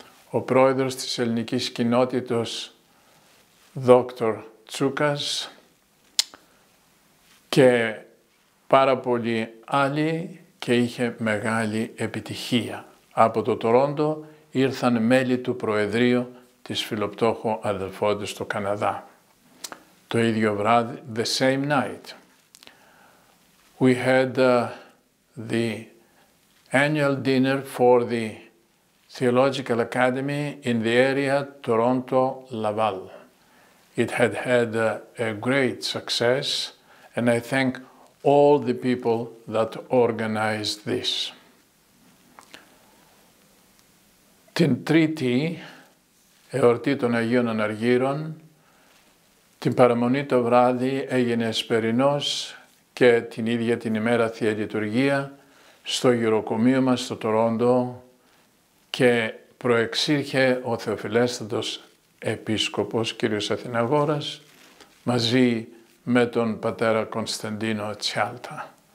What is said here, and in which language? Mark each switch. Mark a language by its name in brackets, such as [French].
[Greek] ο πρόεδρος της ελληνικής κοινότητος, Δόκτωρ Τσούκας, και πάρα πολλοί άλλοι, και είχε μεγάλη επιτυχία. Από το Τορόντο ήρθαν μέλη του Προεδρείου της φιλοπτώχου αδελφότητας στο Καναδά. Το ίδιο βράδυ, [English] the same night, we had the annual dinner for the Theological Academy in the area Toronto-Laval. It had had a great success, and I thank all the people that organized this. [Greek] Την Τρίτη, εορτή των Αγίων Αναργύρων, την παραμονή το βράδυ έγινε εσπερινός και την ίδια την ημέρα Θεία Λειτουργία στο γεροκομείο μας στο Τορόντο και προεξήρχε ο Θεοφιλέστατος Επίσκοπος κύριος Αθηναγόρας μαζί με τον πατέρα Κωνσταντίνο Τσιάλτα.